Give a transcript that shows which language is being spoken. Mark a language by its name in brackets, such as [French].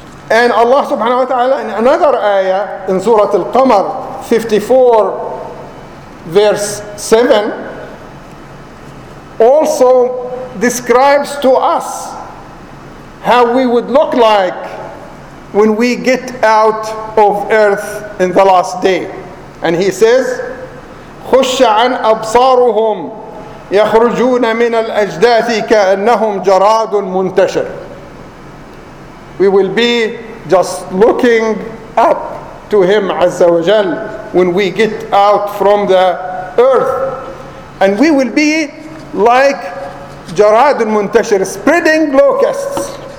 [English] And Allah subhanahu wa ta'ala in another ayah in Surah Al-Qamar 54 verse 7 also describes to us how we would look like when we get out of earth in the last day. And he says, [Arabic] خُشَّ عَنْ أَبْصَارُهُمْ يَخْرُجُونَ مِنَ الْأَجْدَاثِ كَأَنَّهُمْ جَرَادٌ مُنْتَشَرٌ. [English] We will be just looking up to him عز وجل when we get out from the earth, and we will be like [Arabic] جراد المنتشر, [English] spreading locusts.